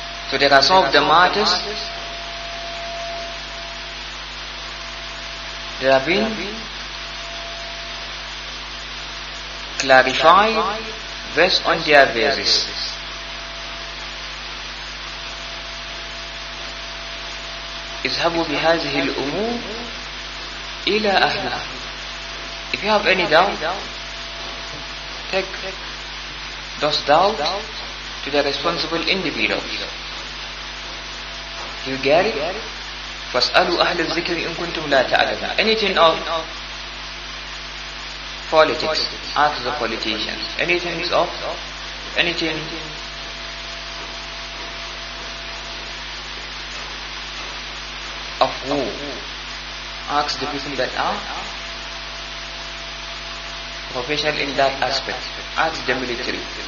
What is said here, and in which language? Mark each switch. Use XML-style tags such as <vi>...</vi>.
<en>So there are some of the martyrs that have been clarified based on their basis.</en> <ar>اذهبوا بهذه الأمور إلى أهلها.</ar> <en>If you have any doubt, take those doubts to the responsible individuals. You get it?</en> <ar>فاسألوا أهل الذكر إن كنتم لا تعلمون.</ar> <en>Anything of politics, ask the politicians. Anything of anything of who? Ask the people that are professional in that aspect. Ask the military.</en>